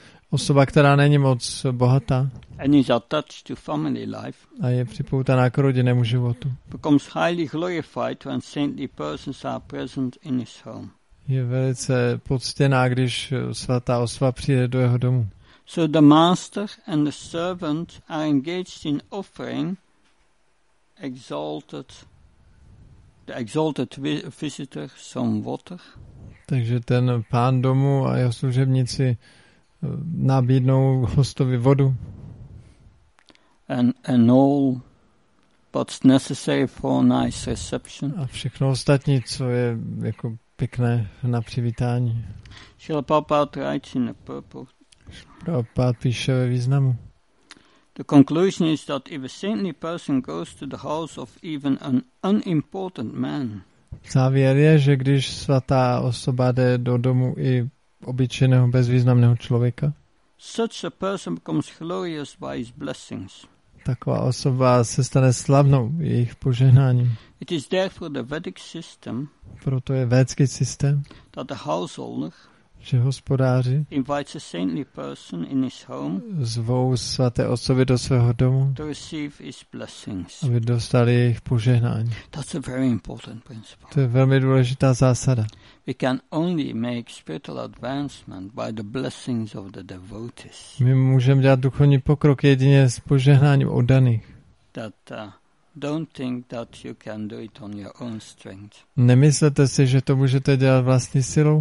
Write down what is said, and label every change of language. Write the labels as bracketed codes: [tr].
[cs] osoba, která není moc bohatá, [en] and is attached to family life, [cs] a je připoutaná k rodinnému životu, [en] becomes highly glorified when saintly persons are present in his home. [cs] Je velice poctěná, když svatá osoba přijde do jeho domu. [en] So the master and the servant are engaged in offering the exalted visitor some water. [cs] Takže ten pán domu a jeho služebníci nabídnou hostovi vodu. [en] And all what's necessary for nice reception. [cs] A všechno ostatní, co je jako pěkné na přivítání. [en] Srila Prabhupada writes in the purport. [cs] Prabhupada píše ve významu. [en] The conclusion is that if a saintly person goes to the house of even an unimportant man, [cs] závěr je, že když svatá osoba jde do domu i obyčejného bezvýznamného člověka, [en] such a person becomes glorious by his blessings. [cs] Taková osoba se stane slavnou jejich požehnáním. [en] It is therefore the Vedic system, [cs] proto je védský systém, [en] that the householder, [cs] že hospodáři [en] invites a saintly person in his home, [cs] zvou svaté osoby do svého domu, [en] to receive his blessings, [cs] aby dostali jejich požehnání. [en] That's a very important principle. [cs] To je velmi důležitá zásada. [en] We can only make spiritual advancement by the blessings of the devotees. [cs] My můžeme dělat duchovní pokrok jedině s požehnáním oddaných. [en] That don't think that you can do it on your own strength. [cs] Nemyslete si, že to můžete dělat vlastní silou.